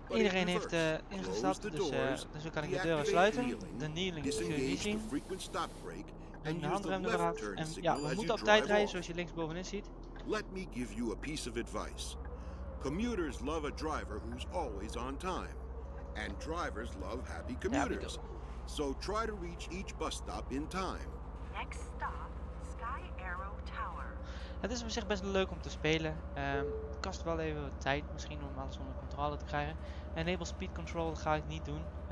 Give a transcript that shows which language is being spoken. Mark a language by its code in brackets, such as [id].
[nl] iedereen heeft ingestapt. Dus dan kan ik de deuren sluiten. De kneeling kun je niet zien. [en] Frequent stop brake. [nl] En de handrem eraf. En ja, we moeten op tijd rijden zoals je linksbovenin ziet. [en] Let me give you a piece of advice. Commuters love a driver who's always on time. And drivers love happy commuters. So try to reach each bus stop in time. Next stop, Sky Arrow Tower. [nl] Het is op zich best leuk om te spelen. Het kost wel even tijd misschien om alles onder controle te krijgen. [en] Enable speed control [nl] ga ik niet doen.